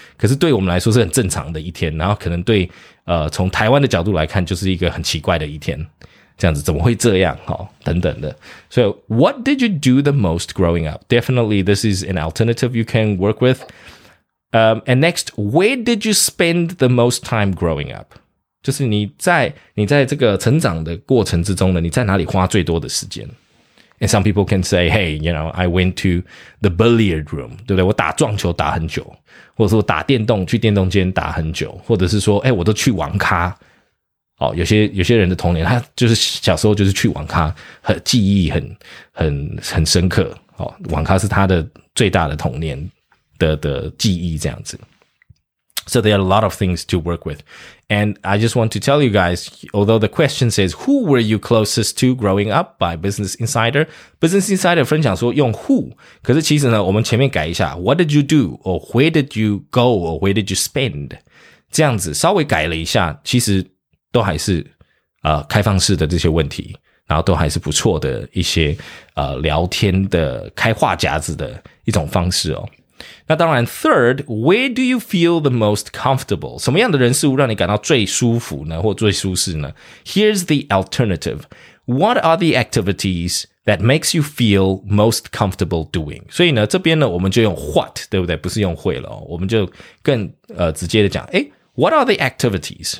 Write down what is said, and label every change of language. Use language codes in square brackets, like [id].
[zh] 可是对我们来说是很正常的一天，然后可能对从台湾的角度来看就是一个很奇怪的一天。这样子怎么会这样、哦、等等的。 [en] So, what did you do the most growing up? Definitely, this is an alternative you can work with. And next, where did you spend the most time growing up? [zh] 就是你在这个成长的过程之中呢，你在哪里花最多的时间？ [en] And some people can say, hey, you know, I went to the billiard room, [zh] 对不对？我打撞球打很久，或者说打电动去电动间打很久，或者是说，哎，我都去网咖。哦、有些人的童年他就是小时候就是去网咖，很记忆很深刻、哦、网咖是他的最大的童年 的记忆这样子。 [en] So there are a lot of things to work with. And I just want to tell you guys, although the question says, who were you closest to growing up by Business Insider? [zh] Business Insider 分享说用 who, 可是其实呢我们前面改一下 [en] what did you do, or where did you go, or where did you spend? [zh] 这样子稍微改了一下，其实都还是开放式的这些问题，然后都还是不错的一些聊天的开话匣子的一种方式哦。那当然 [en] third, where do you feel the most comfortable? [zh] 什么样的人事物让你感到最舒服呢或最舒适呢 ? [en] Here's the alternative. What are the activities that makes you feel most comfortable doing? [zh] 所以呢这边呢我们就用 what, 对不对不是用会了、哦、我们就更直接的讲诶 , [en] what are the activities?